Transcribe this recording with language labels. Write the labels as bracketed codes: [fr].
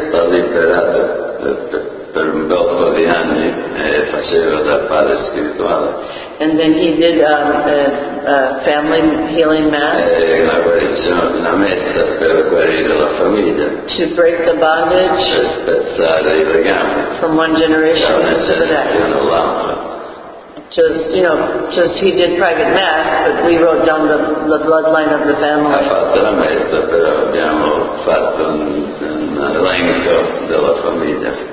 [it] L'ha liberata per un bel po' di anni e faceva da padre spirituale. [en] And then he did a family healing mass. [it] Una guarigione, una messa per guarire la famiglia. [en] To break the bondage. [it] Per spezzare i legami. [en] From one generation to the next. Just he did private mass, but we wrote down the bloodline of the family. [it] Ha fatto la messa, però abbiamo fatto un elenco della famiglia.